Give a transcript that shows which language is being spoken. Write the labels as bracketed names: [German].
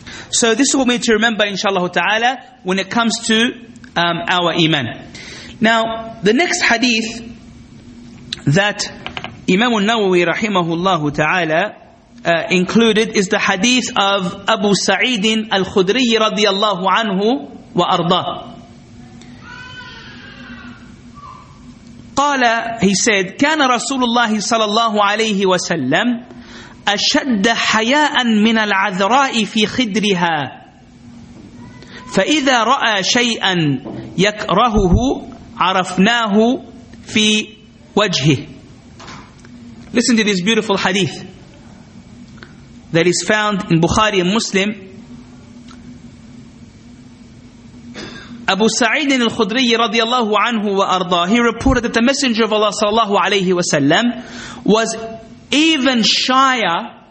[English] So this is what we need to remember, inshallah ta'ala, when it comes to our iman. Now, the next hadith that Imam al-Nawawi rahimahullahu ta'ala included is the hadith of Abu Sa'id al-Khudri radiyallahu anhu wa arda. [Arabic] Qala, [English] he said, [Arabic] كان رسول الله صلى الله عليه وسلم أشد حياء من العذراء في خدرها فإذا رأى شيئا يكرهه عَرَفْنَاهُ فِي وَجْهِهِ. [English] Listen to this beautiful hadith that is found in Bukhari and Muslim. Abu Sa'id al-Khudri radiallahu anhu wa arda, he reported that the Messenger of Allah sallallahu alayhi wa sallam was even shyer.